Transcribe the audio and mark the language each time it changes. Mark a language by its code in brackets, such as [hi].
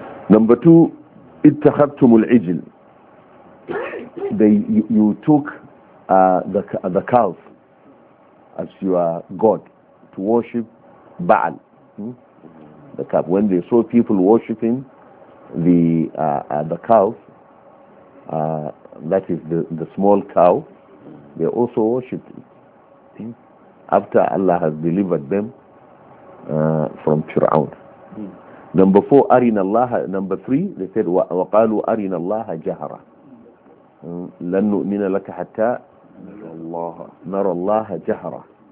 [en] Number 2, [ar] اتخذتم العجل. [en] You took the calf as your god to worship Baal. The calf. When they saw people worshiping the calf, that is the small cow, they also worshiped it. After Allah has delivered them from Fir'aun. Number three, they said, [ar] وَقَالُوا أَرِنَا اللَّهَ جَهْرًا لَنُؤْمِنَ لَكَ حَتَّى نَرَى اللَّهَ جَهْرًا.